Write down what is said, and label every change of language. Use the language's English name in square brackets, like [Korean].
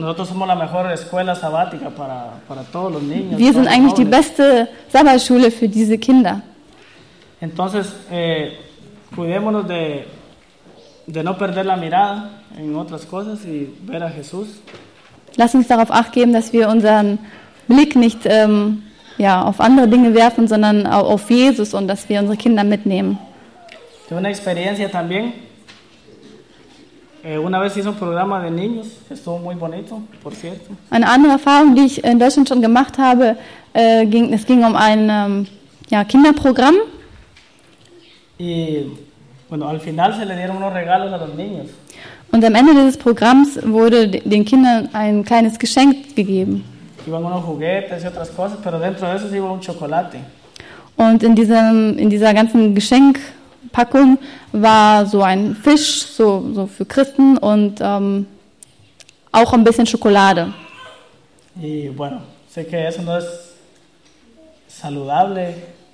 [Spanish] Nosotros somos la mejor escuela sabática para todos los niños. [German] Wir sind eigentlich die beste Sabbatschule für diese Kinder. [Spanish] Entonces, cuidémonos de no perder la mirada en otras cosas y ver a Jesús. [German] Lass uns darauf acht geben, dass wir unseren Blick nicht auf andere Dinge werfen, sondern auf Jesus und dass wir unsere Kinder mitnehmen. [Spanish] Tuve una experiencia también. Una vez hice un programa de niños, estuvo muy bonito, por cierto. [German] Eine andere Erfahrung, die ich in Deutschland schon gemacht habe, es ging um ein Kinderprogramm. [Spanish] Y bueno, al final se le dieron unos regalos a los niños. [German] Und am Ende dieses Programms wurde den Kindern ein kleines Geschenk gegeben. [Spanish] Iban unos juguetes y otras cosas, pero dentro de eso iba un chocolate. [German] Und in dieser ganzen Geschenkpackung war so ein Fisch, so für Christen und auch ein bisschen Schokolade. [Spanish] Y bueno, sé que eso no es saludable.